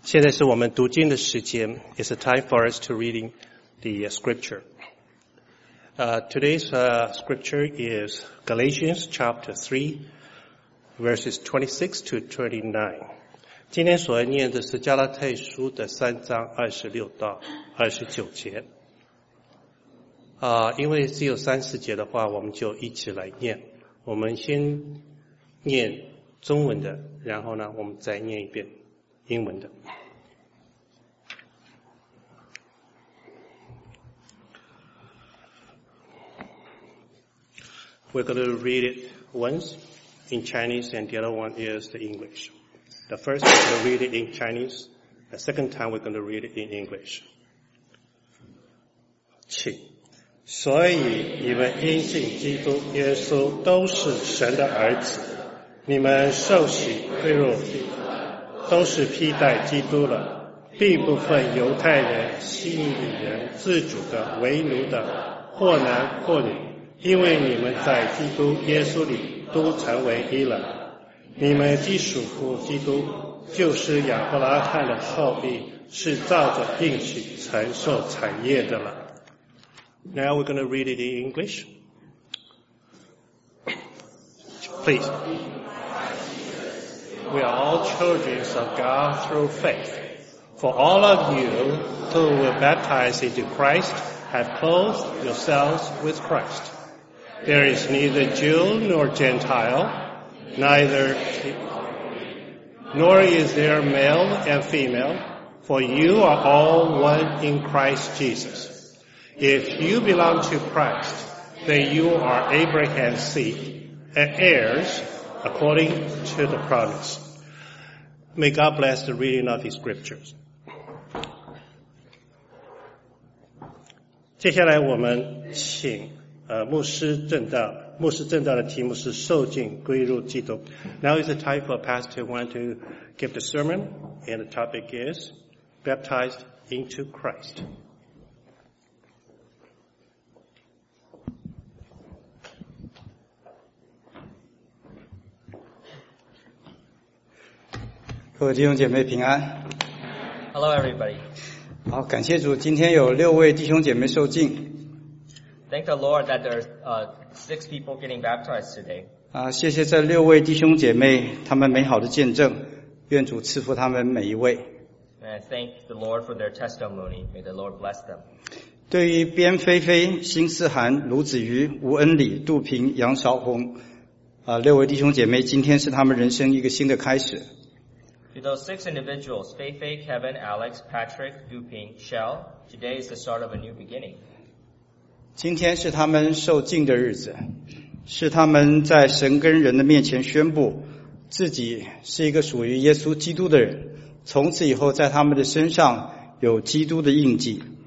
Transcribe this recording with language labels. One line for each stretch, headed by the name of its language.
Chinese: 现在是我们读经的时间
English: It's a time for us to reading the scripture. Today's scripture is Galatians chapter 3, verses 26 to 29.
Chinese: 今天所念的是加拉太书的三章二十六到二十九节。因为只有三四节的话，我们就一起来念。我们先念中文的，然后呢，我们再念一遍英文的。
English: We're going to read it once in Chinese and the other one is the English. The first we're going to read it in Chinese. The second time we're going to read it in English.
Chinese: 请。所以你们因信基督耶稣都是神的儿子。你们受洗归入基督了，都是披戴基督了，并不分犹太人、希利人、自主的、为奴的、或男或女。因为你们在基督耶稣里都成为一了，你们既属乎基督，就是亚伯拉罕的后裔，是照着应许承受产业的了。
English: Now we're going to read it in English. Please. We are all children of God through faith. For all of you who were baptized into Christ have clothed yourselves with Christ. There is neither Jew nor Gentile, neither nor is there male and female, for you are all one in Christ Jesus. If you belong to Christ, then you are Abraham's seed, and heirs according to the promise. May God bless the reading of His scriptures.
Chinese: 接下来我们请牧师正道的题目是受浸归入基督。
English: Now is the time for Pastor Wan to give the sermon, and the topic is baptized into Christ.
Chinese: 各位弟兄姐妹平安。
English: Hello, everybody.
Chinese: 好，感谢主，今天有六位弟兄姐妹受浸。
English: Thank the Lord that there are six people getting baptized today.
Chinese: 谢谢这六位弟兄姐妹，他们美好的见证，愿主赐福他们每一位。
English: And thank the Lord for their testimony. May the Lord bless them.
Chinese: 对于边菲菲、辛思涵、卢子瑜、吴恩礼、杜平、杨韶红，六位弟兄姐妹，今天是他们人生一个新的开始。
English: To those six individuals, Fei Fei, Kevin, Alex, Patrick, Du Ping, Shell, today is the start of a new beginning.
Chinese: 今天是他们受浸的日子，是他们在神跟人的面前宣布自己是一个属于耶稣基督的人，从此以后在他们的身上有基督的印记。